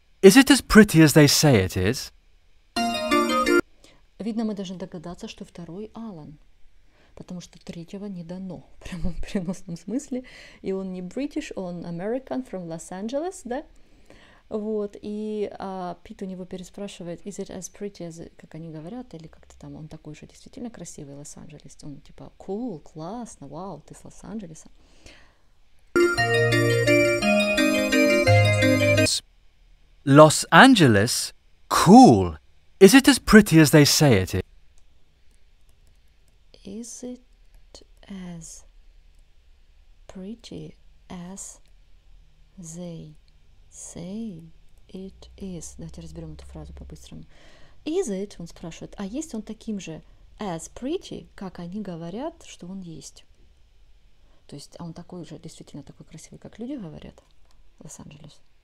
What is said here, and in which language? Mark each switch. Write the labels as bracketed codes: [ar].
[en] Is it as pretty as they say it is? [ru] Видно, мы должны догадаться, что второй Алан. Потому что третьего не дано. Прямо в переносном смысле. И он не British, он [en] American from Los Angeles, [ru] да? Вот, и Пит у него переспрашивает, [en] is it as pretty as, [ru] как они говорят, или как-то там он такой же действительно красивый Лос-Анджелес. Он типа, cool, классно, вау, ты с Лос-Анджелеса. [en] Лос-Анджелес? Cool. Is it as pretty as they say it is? Is it as pretty as they say it is? [ru] Давайте разберем эту фразу по-быстрому. [en] Is it, [ru] он спрашивает, а есть он таким же [en] as pretty, [ru] как они говорят, что он есть? То есть, а он такой же, действительно такой красивый, как люди говорят в Лос-Анджелесе?